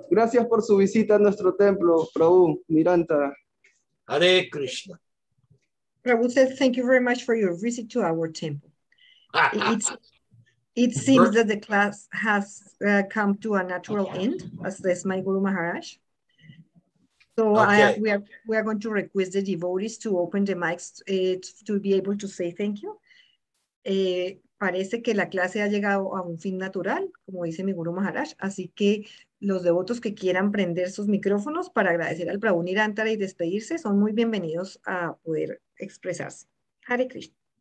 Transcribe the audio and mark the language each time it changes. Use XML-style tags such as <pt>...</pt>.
<es>Gracias por su visita a nuestro templo, Prabhu Niranta. Hare Krishna.</es> <en>Prabhu says, thank you very much for your visit to our temple. It seems that the class has come to a natural end, as says my Guru Maharaj. So okay. We are going to request the devotees to open the mics to be able to say thank you.</en> <es>Parece que la clase ha llegado a un fin natural, como dice mi Guru Maharaj, así que los devotos que quieran prender sus micrófonos para agradecer al Prabhu Nirantara y despedirse son muy bienvenidos a poder expresarse. Hare Krishna.</es>